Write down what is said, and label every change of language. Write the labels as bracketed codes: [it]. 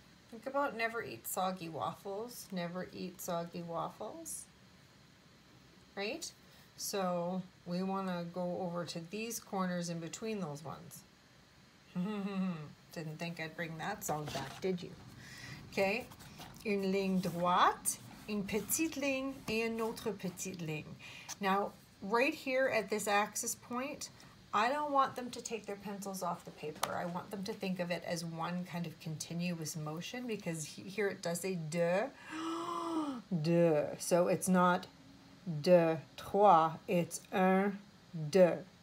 [en] Think about never eat soggy waffles. Never eat soggy waffles. Right? So we want to go over to these corners in between those ones. Didn't think I'd bring that song back, did you? Okay. [fr] Une ligne droite, une petite ligne, et une autre petite ligne. [en] Now, right here at this axis point, I don't want them to take their pencils off the paper. I want them to think of it as one kind of continuous motion, because here it does say de, de. So it's not de, trois, it's un, de.